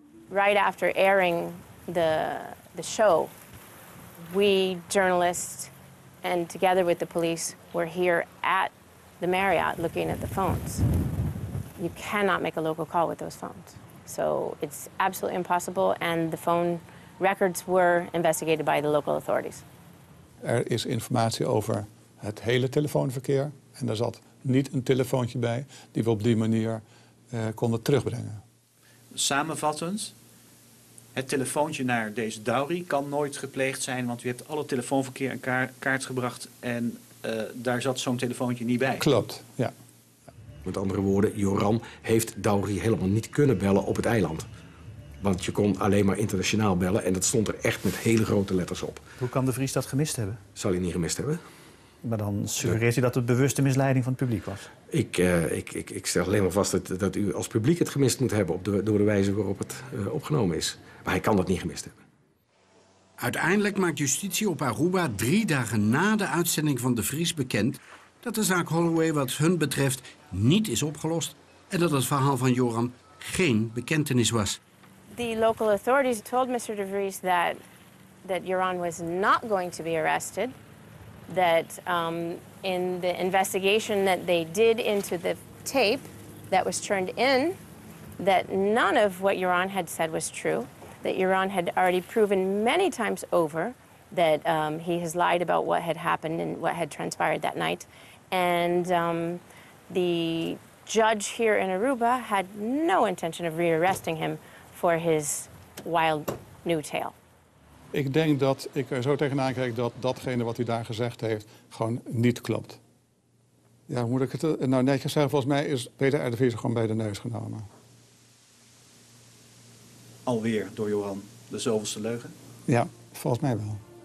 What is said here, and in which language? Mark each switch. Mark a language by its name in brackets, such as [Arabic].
[English] Right after airing the show, we journalists and together with the police were here at the Marriott looking at the phones. You cannot make a local call with those phones. So it's absolutely impossible and the phone records were investigated by the local authorities. [Dutch] Er is informatie over het hele telefoonverkeer. En daar zat niet een telefoontje bij die we op die manier konden terugbrengen. Samenvattend, het telefoontje naar deze Dauri kan nooit gepleegd zijn, want u hebt alle telefoonverkeer in kaart gebracht en daar zat zo'n telefoontje niet bij. Klopt, ja. Met andere woorden, Joran heeft Dauri helemaal niet kunnen bellen op het eiland. Want je kon alleen maar internationaal bellen en dat stond er echt met hele grote letters op. Hoe kan de Vries dat gemist hebben? Zal hij niet gemist hebben? Maar dan suggereert u dat het bewuste misleiding van het publiek was? Ik stel alleen maar vast dat u als publiek het gemist moet hebben door de wijze waarop het opgenomen is. Maar hij kan dat niet gemist hebben. Uiteindelijk maakt justitie op Aruba 3 dagen na de uitzending van de Vries bekend dat de zaak Holloway wat hun betreft niet is opgelost en dat het verhaal van Joran geen bekentenis was. [English] The local authorities told Mr. De Vries that Joran was not going to be arrested. That in the investigation that they did into the tape that was turned in, that none of what Joran had said was true. That Joran had already proven many times over that he has lied about what had happened and what had transpired that night. And the judge here in Aruba had no intention of rearresting him for his wild new tale. [Dutch] Ik denk dat ik er zo tegenaan kijk dat datgene wat hij daar gezegd heeft gewoon niet klopt. Ja, hoe moet ik het nou netjes zeggen? Volgens mij is Peter R. de Vries gewoon bij de neus genomen. Alweer door Joran, de zoveelste leugen? Ja, volgens mij wel.